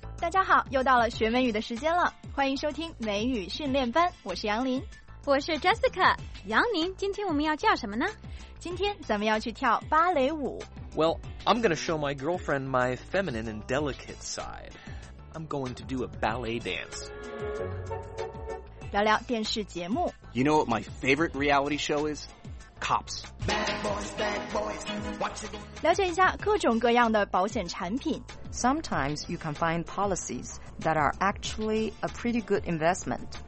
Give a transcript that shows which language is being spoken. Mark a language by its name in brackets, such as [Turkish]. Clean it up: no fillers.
[Chinese] 家好，又到了学美语的时间了，欢迎收听美语训练班，我是杨林。我是 Jessica。杨林，今天我们要叫什么呢？今天咱们要去跳芭蕾舞。 [English] Well, I'm going to show my girlfriend my feminine and delicate side. I'm going to do a ballet dance. [Chinese] 聊聊电视节目。 [English] You know what my favorite reality show is? Cops. Bad boys. [Chinese] 了解一下各种各样的保险产品。 [English] Sometimes you can find policies that are actually a pretty good investment.